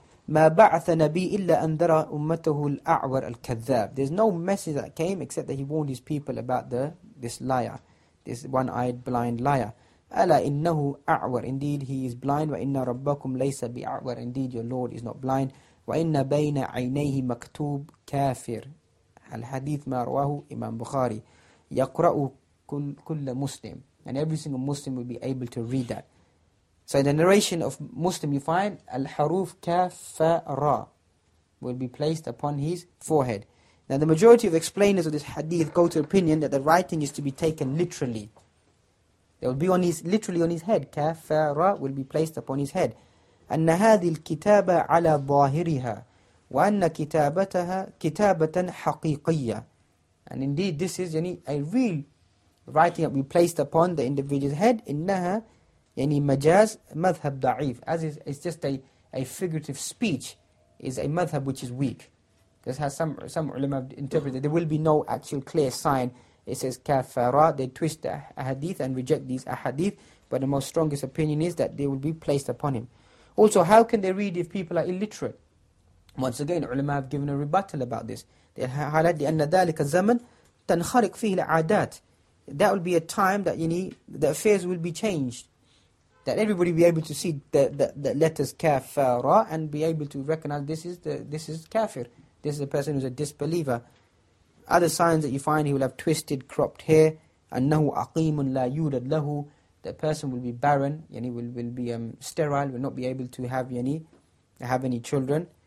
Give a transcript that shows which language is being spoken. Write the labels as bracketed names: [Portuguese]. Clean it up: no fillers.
[Arabic] مَا بَعْثَ نَبِيٍّ إِلَّا أَنْذَرَ أُمَّتَهُ الْأَعْوَرَ الْكَذَّابِ. [English] There's no message that came except that he warned his people about this liar, this one-eyed blind liar. [Arabic] أَلَا إِنَّهُ أَعْوَرَ, [English] indeed he is blind. [Arabic] وَإِنَّ رَبَّكُمْ لَيْسَ بِأَعْوَرَ, [English] indeed your Lord is not blind. [Arabic] وَإِنَّ بَيْنَ عَيْنَيْهِ مَكْتُوب كَافِر. الحديث مَا رواهُ إِمَام بُخَارِي. يَقْرَأُ كُلَّ مسلم, [English] and every single Muslim will be able to read that. So in the narration of Muslim, you find Al-Haruf Ka-Fa-Ra will be placed upon his forehead. Now the majority of explainers of this hadith go to the opinion that the writing is to be taken literally. It will be on his, literally on his head. Ka-Fa-Ra will be placed upon his head. [Arabic] أَنَّ هَذِي الْكِتَابَ عَلَى ظَاهِرِهَا وَأَنَّ كِتَابَتَهَا كِتَابَةً حَقِيقِيَّةً. [English] And indeed this is a real writing that will be placed upon the individual's head. [Arabic] إِنَّهَا يعني مجاز مذهب ضعيف, [English] as is, it's just a figurative speech, is a madhab which is weak. This has some ulama interpreted, there will be no actual clear sign. It says kafara, they twist the ahadith and reject these ahadith, but the most strongest opinion is that they will be placed upon him. Also, how can they read if people are illiterate? Once again, ulama have given a rebuttal about this. They highlight the [Arabic] أن ذلك الزمن تنخرق فيه العادات. [English] That will be a time that the affairs will be changed, that everybody be able to see the letters kafara and be able to recognize this is kafir, this is a person who's a disbeliever. Other signs that you find, he will have twisted, cropped hair. [Arabic] Annahu aqimun la yulad lahu, [English] the person will be barren, will be sterile, will not be able to have any children.